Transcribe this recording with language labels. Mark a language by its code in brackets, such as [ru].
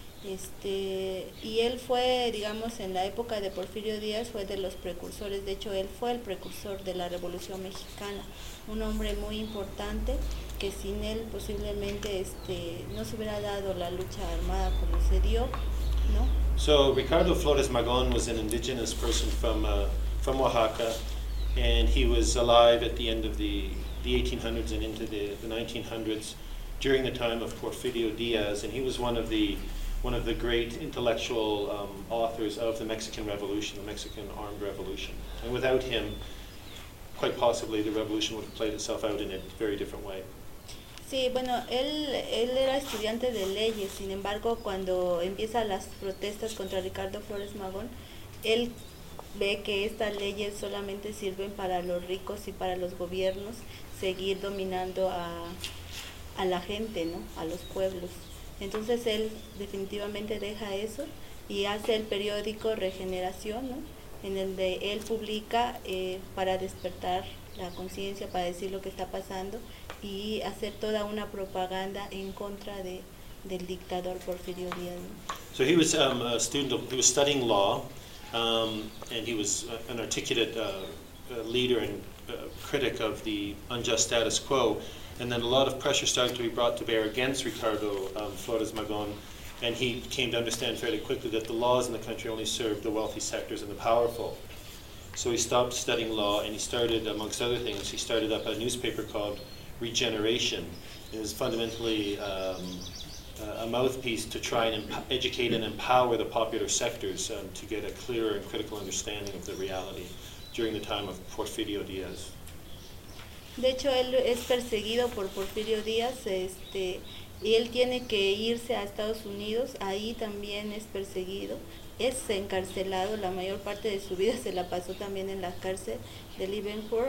[es] Y él fue, digamos, en la época de Porfirio Díaz, fue de los precursores. De hecho, él fue el precursor de la Revolución Mexicana, un hombre muy importante, que sin él posiblemente no se hubiera dado la lucha armada como se dio, ¿no? [en] So Ricardo Flores Magón was an indigenous person from Oaxaca, and he was alive at the end of the 1800s and into the 1900s during the time of Porfirio Díaz, and he was one of the great intellectual authors of the Mexican Revolution, the Mexican Armed Revolution. And without him, quite possibly the revolution would have played itself out in a very different way. [es] Sí, bueno, él era estudiante de leyes. Sin embargo, cuando empiezan las protestas contra Ricardo Flores Magón, él ve que estas leyes solamente sirven para los ricos y para los gobiernos seguir dominando a la gente, ¿no? A los pueblos. Entonces él definitivamente deja eso y hace el periódico Regeneración, ¿no? En el de él publica para despertar la conciencia, para decir lo que está pasando y hacer toda una propaganda en contra del dictador Porfirio Díaz. [en] So he was a student, he was studying law, and he was an articulate leader and critic of the unjust status quo. And then a lot of pressure started to be brought to bear against Ricardo Flores Magón, and he came to understand fairly quickly that the laws in the country only served the wealthy sectors and the powerful. So he stopped studying law, and he started, amongst other things, he started up a newspaper called Regeneration. It was fundamentally a mouthpiece to try and educate and empower the popular sectors to get a clearer and critical understanding of the reality during the time of Porfirio Díaz. [es] De hecho, él es perseguido por Porfirio Díaz, y él tiene que irse a Estados Unidos. Ahí también es perseguido, es encarcelado. La mayor parte de su vida se la pasó también en la cárcel de Leavenworth.